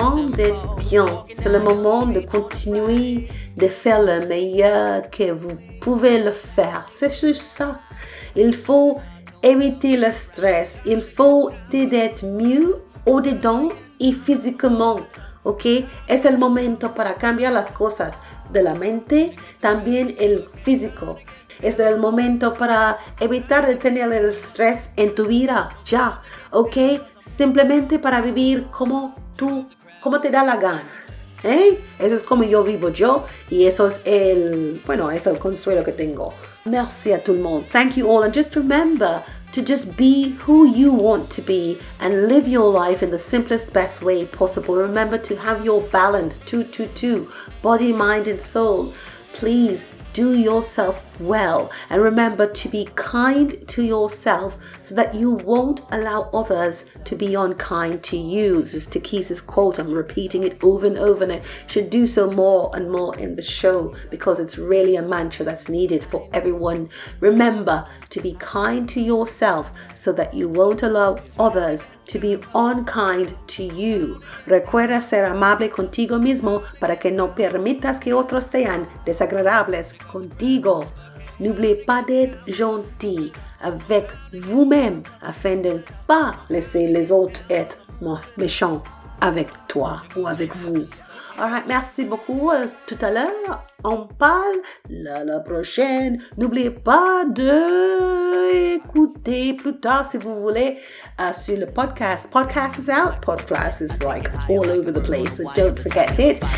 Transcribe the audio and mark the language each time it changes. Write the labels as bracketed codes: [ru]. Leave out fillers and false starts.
[fr] De continuer de faire le meilleur que vous pouvez le faire. C'est juste ça. Il faut éviter le stress. Il faut être mieux au-dedans et physiquement. Ok? [es] Es el momento para cambiar las cosas de la mente, también el físico. Es el momento para evitar de tener el stress en tu vida. Ya. Ok? Simplemente para vivir como tú, como te da la gana. ¿Eh? Eso es como yo vivo yo y eso es el, bueno, es el consuelo que tengo. Merci a todo el mundo. [en] Thank you all. And just remember to just be who you want to be and live your life in the simplest, best way possible. Remember to have your balance, 2-2-2, body, mind and soul. Please do yourself well, and remember to be kind to yourself so that you won't allow others to be unkind to you. This is Takisa's quote. I'm repeating it over and over, and I should do so more and more in the show because it's really a mantra that's needed for everyone. Remember to be kind to yourself so that you won't allow others to be unkind to you. [es] Recuerda ser amable contigo mismo para que no permitas que otros sean desagradables contigo. [fr] N'oubliez pas d'être gentil avec vous-même afin de ne pas laisser les autres être méchants avec toi ou avec vous. Alright, merci beaucoup. Tout à l'heure, on parle la prochaine. N'oubliez pas de écouter plus tard si vous voulez sur le podcast. [en] Podcast is out. Podcast is like all over the place, so don't forget it.